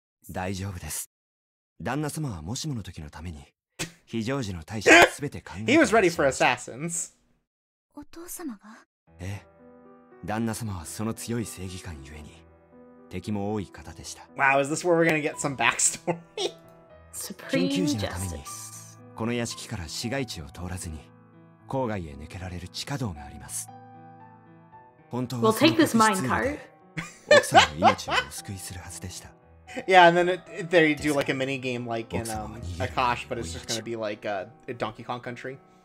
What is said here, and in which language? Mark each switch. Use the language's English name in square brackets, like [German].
[Japanese] 大丈夫です。旦那様はもしもの時のために 非常時の対処全て考えて。 [English] He was ready for assassins. [Japanese] お父様が? ええ。旦那様はその強い正義感ゆえに、 敵も多い方でした。 [English] Wow, is this where we're gonna get some backstory? Supreme Justice. [Japanese] この屋敷から市街地を通らずに 郊外へ抜けられる地下道があります。 [English] We'll take this minecart. [Japanese] 奥さんの命を救いするはずでした。 [English] Yeah, and then they do like a mini game like in Akash, but it's just gonna be like a Donkey Kong Country.